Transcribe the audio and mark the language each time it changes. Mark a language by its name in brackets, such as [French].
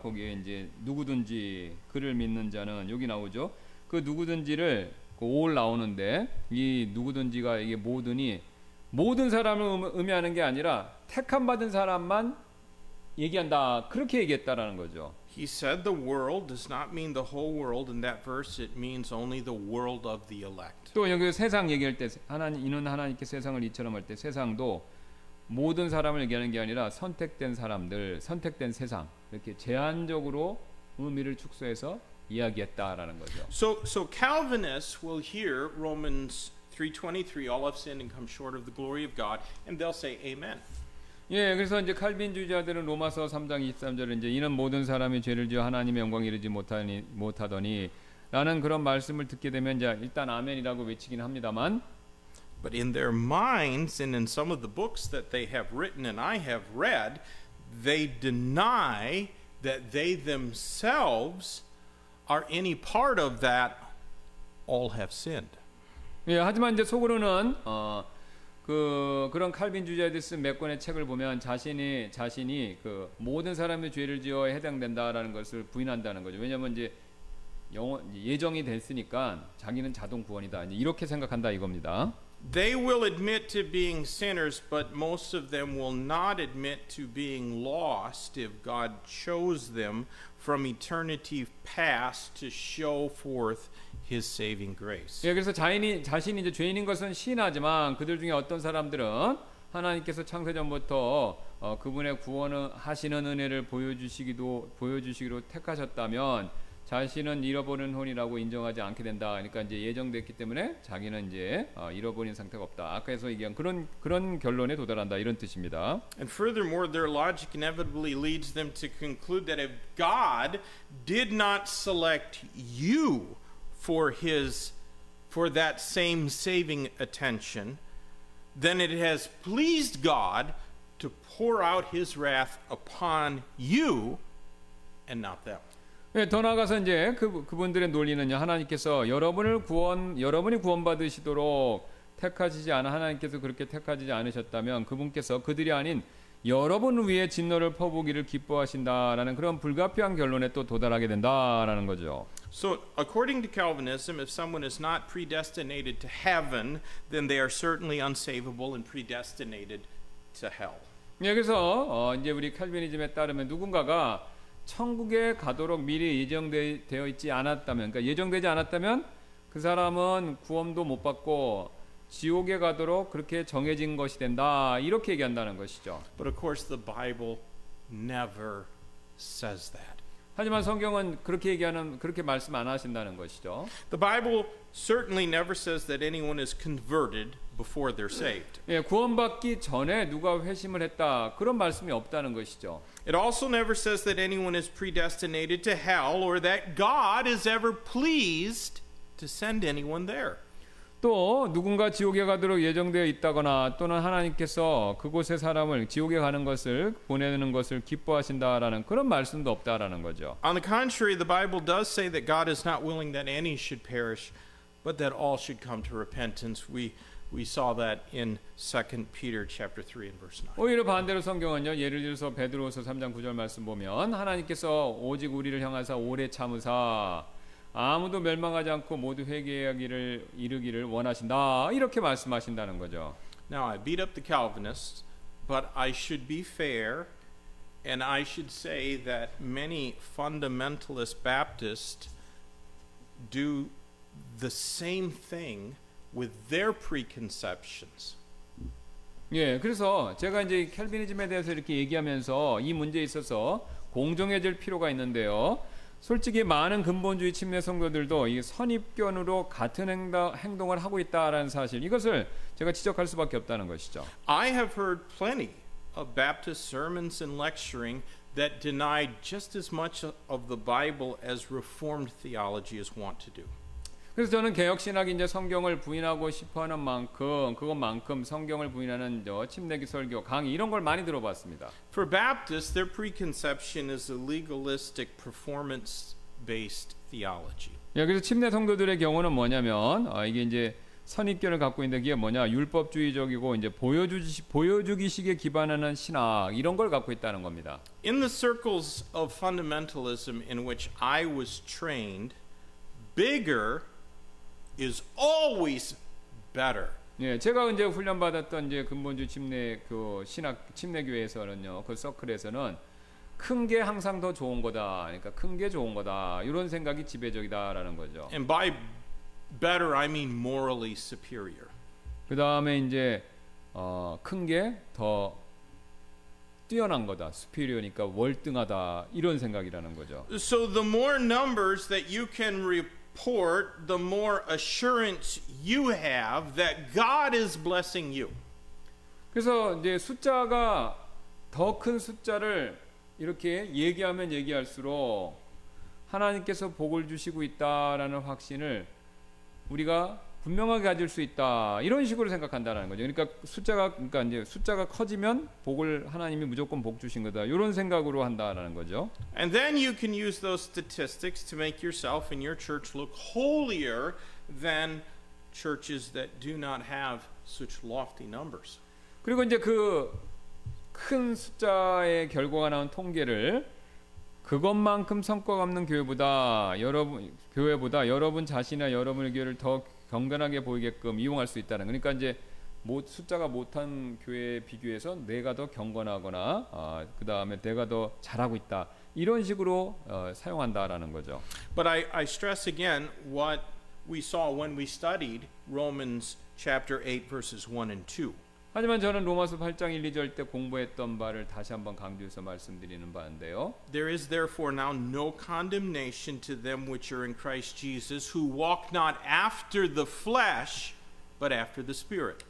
[Korean] 거기에 이제 누구든지 그를 믿는 자는 여기 나오죠. 그 누구든지를 그 all 나오는데 이 누구든지가 이게 뭐든이 모든 사람을 의미하는 게 아니라 택함 받은 사람만 얘기한다. 그렇게 얘기했다라는 거죠. [English] He said the world does not mean the whole world in that verse. It means only the world of the elect. [Korean] 또 여기 세상 얘기할 때 하나님 이는 하나님께 세상을 이처럼 할 때 세상도 모든 사람을 얘기하는 게 아니라 선택된 사람들, 선택된 세상. 이렇게 제한적으로 의미를 축소해서 이야기했다라는 거죠. [English] So Calvinists will hear Romans 3:23 all have sinned and come short of the glory of God and they'll say amen. [Korean] 예, 그래서 이제 칼빈주의자들은 로마서 3장 23절에 이제 이는 모든 사람이 죄를 지어 하나님의 영광 이루지 못하더니 라는 그런 말씀을 듣게 되면 이제 일단 아멘이라고 외치긴 합니다만 [English] but in their minds and in some of the books that they have written and I have read they deny that they themselves are any part of that all have sinned. [Korean] 예, 하지만 이제 속으로는 그런 칼빈주의자들 쓴 몇 권의 책을 보면 자신이 그 모든 사람의 죄를 지어 해당된다라는 것을 부인한다는 거죠. 왜냐면 이제 예정이 됐으니까 자기는 자동 구원이다. 이제 이렇게 생각한다 이겁니다. [English] They will admit to being sinners, but most of them will not admit to being lost if God chose them from eternity past to show forth His saving grace. [Korean] 예, 그래서 자신이 이제 죄인인 것은 시인하지만 그들 중에 어떤 사람들은 하나님께서 창세 전부터 그분의 구원을 하시는 은혜를 보여주시기로 택하셨다면 자신은 잃어버린 혼이라고 인정하지 않게 된다. 그러니까 이제 예정됐기 때문에 자기는 이제 잃어버린 상태가 없다. 아까에서 얘기한 그런 결론에 도달한다 이런 뜻입니다. [English] And furthermore, their logic inevitably leads them to conclude that if God did not select you for that same saving attention, then it has pleased God to pour out His wrath upon you, and not them. [Korean] 예, 더 나아가서 이제 그분들의 논리는요. 하나님께서 여러분이 구원받으시도록 택하시지 않아 하나님께서 그렇게 택하시지 않으셨다면 그분께서 그들이 아닌 여러분 위에 진노를 퍼부기를 기뻐하신다라는 그런 불가피한 결론에 또 도달하게 된다라는 거죠. [English] So according to Calvinism, if someone is not predestinated to heaven, then they are certainly unsavable and predestinated to hell. [Korean] 예, 그래서 이제 우리 칼빈이즘에 따르면 누군가가 천국에 가도록 미리 예정되어 있지 않았다면, 그러니까 예정되지 않았다면 그 사람은 구원도 못 받고 지옥에 가도록 그렇게 정해진 것이 된다 이렇게 얘기한다는 것이죠. [English] But of course, the Bible never says that. [Korean] 하지만 성경은 그렇게 얘기하는 그렇게 말씀 안 하신다는 것이죠. [English] The Bible certainly never says that anyone is converted before they're saved. [Korean] 예, 구원받기 전에 누가 회심을 했다 그런 말씀이 없다는 것이죠. [English] It also never says that anyone is predestinated to hell or that God is ever pleased to send anyone there. [Korean] 또 누군가 지옥에 가도록 예정되어 있다거나 또는 하나님께서 그곳의 사람을 지옥에 가는 것을 보내는 것을 기뻐하신다라는 그런 말씀도 없다라는 거죠. [English] On the contrary, the Bible does say that God is not willing that any should perish, but that all should come to repentance. We saw that in 2 Peter chapter 3 and verse 9. [Korean] 오히려 반대로 성경은요. 예를 들어서 베드로서 3장 9절 말씀 보면 하나님께서 오직 우리를 향하사 오래 참으사 아무도 멸망하지 않고 모두 회개하기를 이르기를 원하신다 이렇게 말씀하신다는 거죠. [English] Now I beat up the Calvinists, but I should be fair, and I should say that many fundamentalist Baptists do the same thing with their preconceptions. [Korean] 예, 그래서 제가 이제 캘빈이즘에 대해서 이렇게 얘기하면서 이 문제에 있어서 공정해질 필요가 있는데요. 솔직히 많은 근본주의 침례 성도들도 이 선입견으로 같은 행동을 하고 있다라는 사실 이것을 제가 지적할 수밖에 없다는 것이죠. [English] I have heard plenty of Baptist sermons and lecturing that denied just as much of the Bible as Reformed theology is wont to do. [Korean] 그래서 저는 개혁신학이 이제 성경을 부인하고 싶어하는 만큼 그것만큼 성경을 부인하는 저 침례기 설교 강의 이런 걸 많이 들어봤습니다. [English] For Baptists, their preconception is a legalistic performance-based theology. [Korean] 여기서 침례 성도들의 경우는 뭐냐면 이게 이제 선입견을 갖고 있는 게 뭐냐 율법주의적이고 이제 보여주기식에 기반하는 신학 이런 걸 갖고 있다는 겁니다. [English] In the circles of fundamentalism in which I was trained, bigger is always better. [Korean] 예, 제가 이제 훈련받았던 이제 근본주의 침례 그 신학 침례 교회에서는요. 그 서클에서는 큰 게 항상 더 좋은 거다. 그러니까 큰 게 좋은 거다. 이런 생각이 지배적이다라는 거죠. [English] And by better I mean morally superior. [Korean] 그다음에 이제 큰 게 더 뛰어난 거다. 스피리어니까 월등하다. 이런 생각이라는 거죠. [English] So the more numbers that you can report, the more assurance you have that God is blessing you. [Korean] 그래서 이제 숫자가 더 큰 숫자를 이렇게 얘기하면 얘기할수록 하나님께서 복을 주시고 있다라는 확신을 우리가 분명하게 가질 수 있다 이런 식으로 생각한다라는 거죠. 그러니까 숫자가 커지면 복을 하나님이 무조건 복 주신 거다 이런 생각으로 한다라는 거죠. [English] And then you can use those statistics to make yourself and your church look holier than churches that do not have such lofty numbers. [Korean] 그리고 이제 그 큰 숫자의 결과가 나온 통계를 그것만큼 성과가 없는 교회보다 여러분 자신이나 여러분의 교회를 더 경건하게 보이게끔 이용할 수 있다는 그러니까 이제 숫자가 못한 교회에 비교해서 내가 더 경건하거나 그 다음에 내가 더 잘하고 있다 이런 식으로 사용한다라는 거죠. [English] But I stress again what we saw when we studied Romans chapter 8 verses 1 and 2. [Korean] 하지만 저는 로마서 8장 1, 2절 때 공부했던 바를 다시 한번 강조해서 말씀드리는 바인데요. [English] There is therefore now no condemnation to them which are in Christ Jesus who walk not after the flesh but after the spirit.